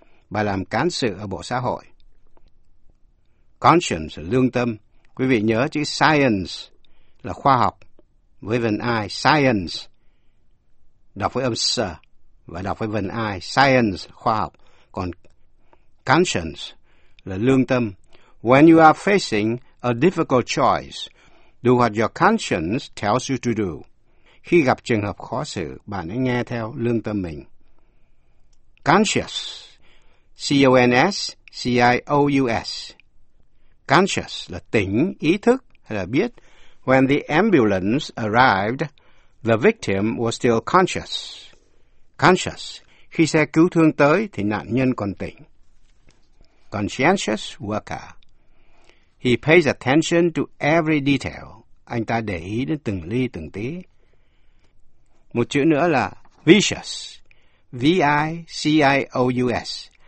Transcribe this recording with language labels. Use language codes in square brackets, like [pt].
[vi] Bà làm cán sự ở bộ xã hội. Conscience, lương tâm. Quý vị nhớ chữ science là khoa học. Với vần I, science. Đọc với âm S và đọc với vần I, science, khoa học. Còn conscience là lương tâm. [en] When you are facing a difficult choice, do what your conscience tells you to do. [vi] Khi gặp trường hợp khó xử, bạn hãy nghe theo lương tâm mình. [en] Conscious, C-O-N-S-C-I-O-U-S. [vi] Conscious là tỉnh, ý thức hay là biết. [en] When the ambulance arrived, the victim was still conscious. [vi] Conscious, khi xe cứu thương tới thì nạn nhân còn tỉnh. [en] Conscientious worker. He pays attention to every detail. [vi] Anh ta để ý đến từng ly từng tí. Một chữ nữa là vicious. V-I-C-I-O-U-S.